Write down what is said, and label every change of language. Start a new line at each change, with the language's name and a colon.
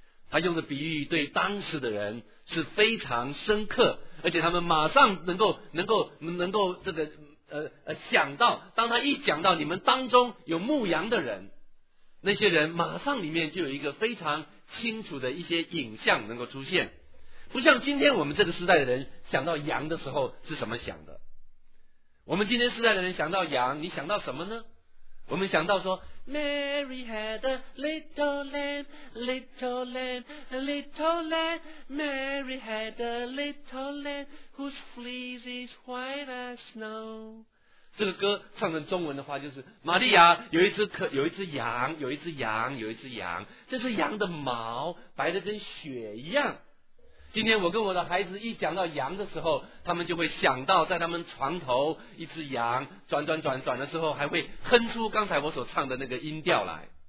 Chinese: 他用的比喻对当时的人是非常深刻，而且他们马上能够这个想到，当他一讲到你们当中有牧羊的人，那些人马上里面就有一个非常清楚的一些影像能够出现。不像今天我们这个时代的人想到羊的时候是什么想的，我们今天时代的人想到羊，你想到什么呢？我们想到说
English: Mary had a little lamb, little lamb, little lamb, Mary had a little lamb whose fleece is white as snow。
Chinese: 这个歌唱成中文的话就是，玛利亚有一只羊，这是羊的毛白的跟雪一样。今天我跟我的孩子一讲到羊的时候，他们就会想到在他们床头一只羊转的时候，还会哼出刚才我所唱的那个音调来。